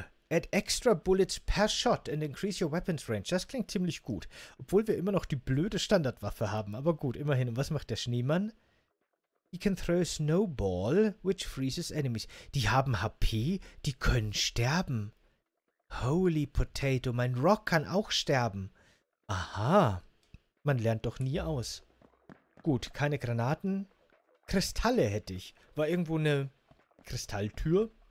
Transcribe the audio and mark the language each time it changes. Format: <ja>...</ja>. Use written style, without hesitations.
<en>Add extra bullets per shot and increase your weapons range.</en> <de>Das klingt ziemlich gut. Obwohl wir immer noch die blöde Standardwaffe haben. Aber gut, immerhin. Und was macht der Schneemann?</de> <en>He can throw a snowball, which freezes enemies.</en> <de>Die haben HP, die können sterben.</de> <en>Holy potato,</en> <de>mein Rock kann auch sterben. Aha, man lernt doch nie aus. Gut, keine Granaten. Kristalle hätte ich. War irgendwo eine Kristalltür?</de>